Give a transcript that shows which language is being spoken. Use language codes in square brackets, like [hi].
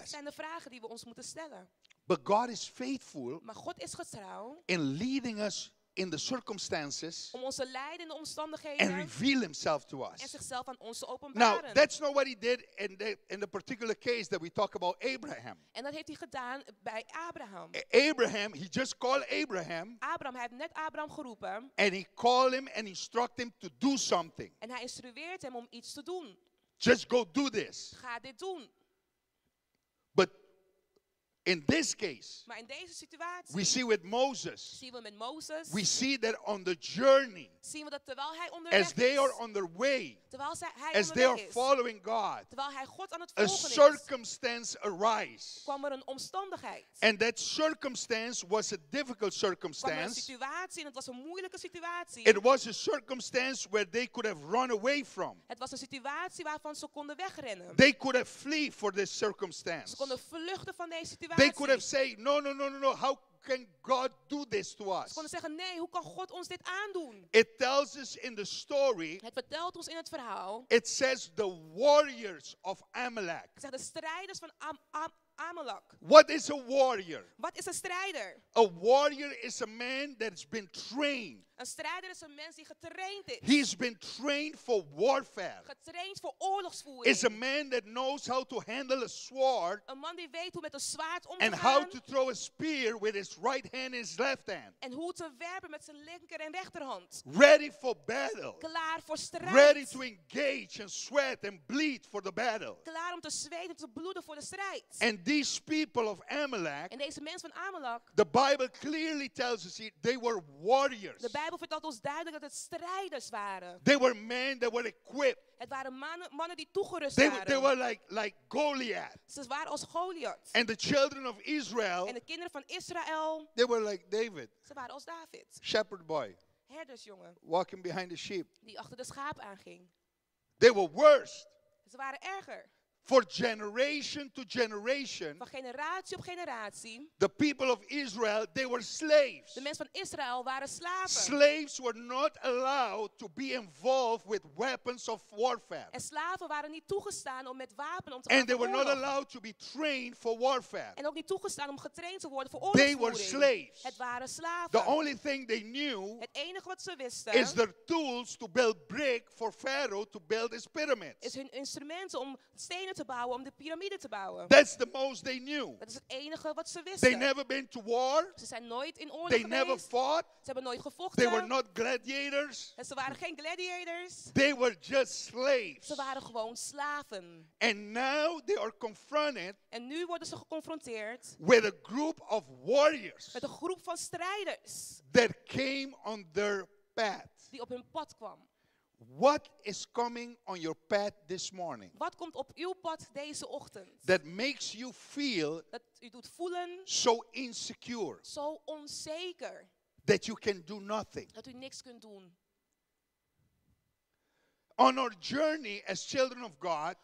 [nl] Dat zijn de vragen die we ons moeten stellen. [en] But God is faithful. [nl] Maar God is getrouw. [en] In leading us in the circumstances. [nl] Om onze leidende omstandigheden. [en] And reveal himself to us. [nl] En zichzelf aan ons te openbaren. [en] Now that's not what he did in the particular case that we talk about Abraham. [nl] En dat heeft hij gedaan bij Abraham. [en] Abraham, he just called Abraham. [nl] Abraham, hij heeft net Abraham geroepen. [en] And he called him and instructed him to do something. [nl] En hij instrueert hem om iets te doen. [en] Just go do this. [nl] Ga dit doen. [en] In this case, [nl] maar in deze situatie, [en] we see with Moses, [nl] zien we met Moses, [en] we see that on the journey, [nl] zien we dat terwijl hij onderweg [en] as they are on their way, [nl] terwijl hij onderweg [en] as they are following God, [nl] terwijl hij God aan het volgen is, [en] a circumstance arise, [nl] kwam er een omstandigheid. [en] And that circumstance was a difficult circumstance. [nl] Kwam er een situatie en het was een moeilijke situatie. [en] It was a circumstance where they could have run away from. [nl] Het was een situatie waarvan ze konden wegrennen. [en] They could have flee for this circumstance. [nl] Ze konden vluchten van deze situatie. [en] They could have said, no, how can God do this to us? [nl] Ze konden zeggen, nee, hoe kan God ons dit aandoen? [en] It tells us in the story, [nl] het vertelt ons in het verhaal, [en] it says the warriors of Amalek. [nl] Zeg, de strijders van Amalek. [en] What is a warrior? [nl] Wat is een strijder? [en] A warrior is a man that has been trained. [nl] Een strijder is een mens die getraind is. [en] He has been trained for warfare. [nl] Getraind voor oorlogsvoering. [en] Is a man that knows how to handle a sword. [nl] Een man die weet hoe met een zwaard om te [en] and [nl] gaan. [en] And how to throw a spear with his right hand and his left hand. [nl] En hoe te werpen met zijn linker en rechterhand. [en] Ready for battle. [nl] Klaar voor strijd. [en] Ready to engage and sweat and bleed for the battle. [nl] Klaar om te zweten en te bloeden voor de strijd. [en] And these people of Amalek. [nl] En deze mensen van Amalek. [en] The Bible clearly tells us they were warriors. [nl] De Bijbel vertelt ons duidelijk dat het strijders waren. [en] They were men that were equipped. [nl] Het waren mannen die toegerust waren. [en] They were like Goliath. [nl] Ze waren als Goliath. [en] And the children of Israel. [nl] En de kinderen van Israël. [en] They were like David. [nl] Ze waren als David. [en] Shepherd boy. [nl] Herdersjongen. [en] Walking behind the sheep. [nl] Die achter de schaap aanging. [en] They were worst. [nl] Ze waren erger. [en] For generation to generation, [nl] van generatie op generatie, [en] the people of Israel, they were slaves. [nl] De mensen van Israël waren slaven. [en] Slaves were not allowed to be involved with weapons of warfare. [nl] En slaven waren niet toegestaan om met wapen om te gaan. [en] And they were not allowed to be trained for warfare. [nl] En ook niet toegestaan om getraind te worden voor oorlogsvoering. [en] They were slaves. [nl] Het waren slaven. [en] The only thing they knew, [nl] het enige wat ze wisten, [en] is their tools to build brick for Pharaoh to build his pyramids. [nl] Is hun instrumenten om te bouwen, om de piramide te bouwen. [en] That's the most they knew. [nl] Dat is het enige wat ze wisten. [en] They never been to war. [nl] Ze zijn nooit in oorlog [en] they [nl] geweest. [en] Never fought. [nl] Ze hebben nooit gevochten. [en] They were not gladiators. [nl] En ze waren geen gladiators. [en] They were just slaves. [nl] Ze waren gewoon slaven. [en] And now they are confronted. [nl] En nu worden ze geconfronteerd [en] with a group of warriors. [nl] Met een groep van strijders. [en] That came on their path. [nl] Die op hun pad kwam. [en] What is coming on your path this morning? [nl] Wat komt op uw pad deze ochtend? [en] That makes you feel [nl] dat u doet voelen [en] so insecure. [nl] Zo onzeker. [en] That you can do nothing. [nl] Dat u niks kunt doen. [en] On our journey as children of God,